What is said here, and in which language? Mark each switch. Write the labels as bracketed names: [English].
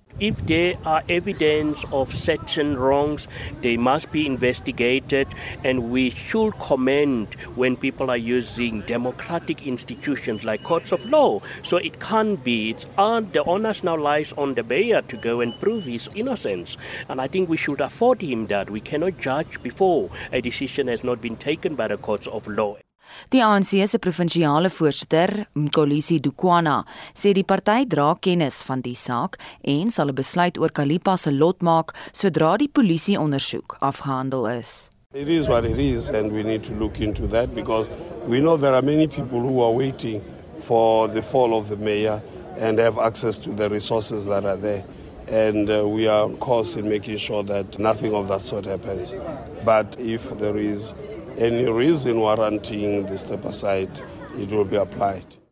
[English] If there are evidence of certain wrongs, they must be investigated and we should commend when people are using democratic institutions like courts of law. So it can't be. The onus now lies on the mayor to go and prove his innocence. And I think we should afford him that. We cannot judge before a decision has not been taken by the courts of law. [Afrikaans] Die ANC se provinsiale voorsitter, Mkolisi Dukwana, sê die party dra kennis van die saak en sal 'n besluit oor Kalipa se lot maak sodra die polisie ondersoek afgehandel is. [English] It is what it is and we need to look into that because we know there are many people who are waiting for the fall of the mayor and have access to the resources that are there. And we are of course in making sure that nothing of that sort happens. But if there is any reason warranting the step aside, it will be applied.